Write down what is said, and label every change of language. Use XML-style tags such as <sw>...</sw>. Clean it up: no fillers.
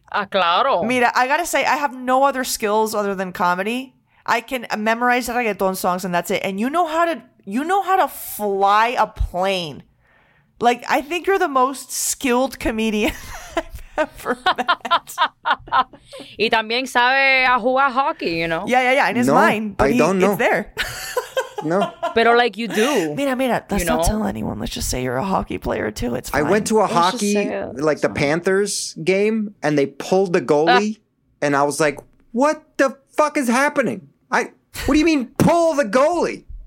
<es>claro.</es> <en>Mira, I got to say, I have no other skills other than comedy. I can memorize reggaeton songs and that's it. And you know how to fly a plane. Like, I think you're the most skilled comedian I've ever met.</en> <es>Y también sabe a jugar hockey,</es> <en>you know? Yeah. And it's mine. But it's there. No.</en> <es>Pero</es> <en>like you do. Mira, let's not tell anyone. Let's just say you're a hockey player too. It's fine. I went to a hockey, like the Panthers game, and they pulled the goalie. And I was like, what the fuck is happening? What do you mean pull the goalie?</en>